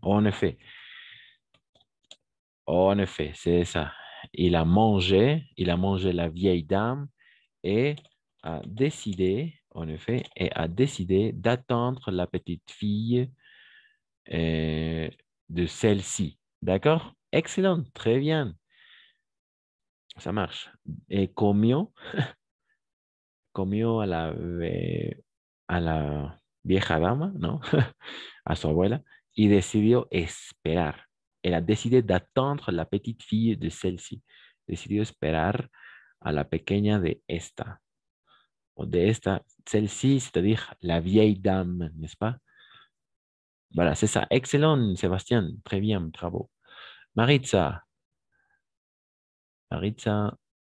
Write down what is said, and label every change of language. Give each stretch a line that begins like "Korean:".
French: En effet, c'est ça. Il a mangé la vieille dame et a décidé, en effet, et a décidé d'attendre la petite fille de celle-ci. D'accord? Excellent, très bien. Ça marche.
Spanish: Et comió a la vieja dama, ¿no? A su abuela, y decidió esperar.
French: Elle a décidé d'attendre la petite fille de celle-ci. Décidé d'espérer à la
Spanish: pequeña de esta. O de esta,
French: celle-ci, c'est-à-dire la vieille dame, n'est-ce pas? Voilà, c'est ça. Excellent, Sébastien. Très bien, bravo. Maritza. Maritza.